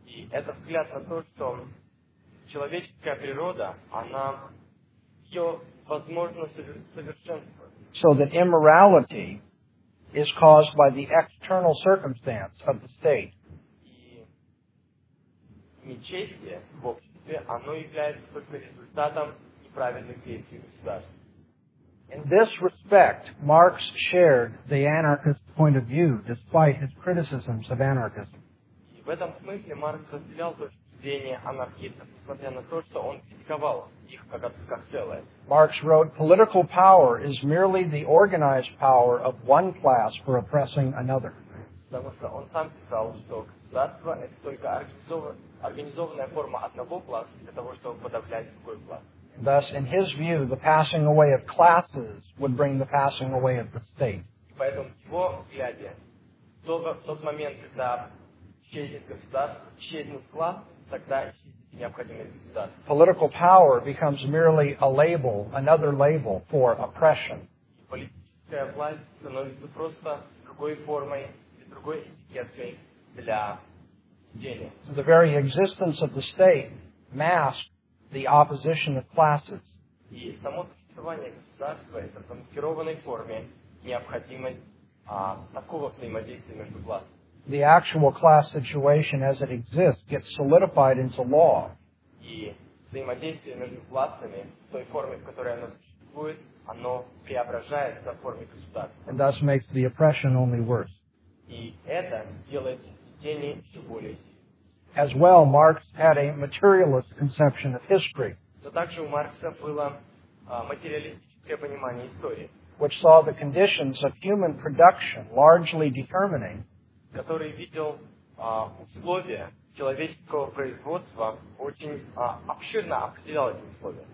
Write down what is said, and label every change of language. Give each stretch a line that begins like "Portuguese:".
Russian: Это взгляд на то, что человеческая природа, она ее возможно совершенствовать.
English: So that immorality is caused by the external circumstance of the state.
Russian: И нечестие в обществе, оно является только результатом неправильных действий государства.
English: In this respect, Marx shared the anarchist point of view, despite his criticisms of anarchism.
Russian: В этом смысле Маркс разделял точку зрения анархистов, несмотря на то, что он критиковал их как целое.
English: Маркс wrote, political power is merely the organized power of one class for oppressing another.
Russian: Потому что он сам писал, что государство – это только организованная форма одного класса для того, чтобы подавлять другой класс.
English: Thus, in his view, the passing away of classes would bring the passing away of the state.
Russian: И поэтому, в его взгляде, в тот момент, когда исчезнет государство, исчезнет класс, тогда исчезнет необходимость государства.
English: Political power becomes merely a label, another label for oppression.
Russian: Политическая власть становится просто другой формой и другой этикеткой для денег.
English: So the very existence of the state masks the opposition of classes.
Russian: И само существование государства это в замаскированной форме необходимость такого взаимодействия между классами.
English: The actual class situation as it exists gets solidified into law.
Russian: И взаимодействие между классами в той форме, в которой оно существует, оно преображается в форме государства.
English: And thus makes the oppression only worse.
Russian: И это делает деление еще более сильным.
English: As well, Marx had a materialist conception of history.
Russian: Но также у Маркса было материалистическое понимание истории.
English: Which saw the conditions of human production largely determining
Russian: который видел условия человеческого производства очень обширно определял эти условия.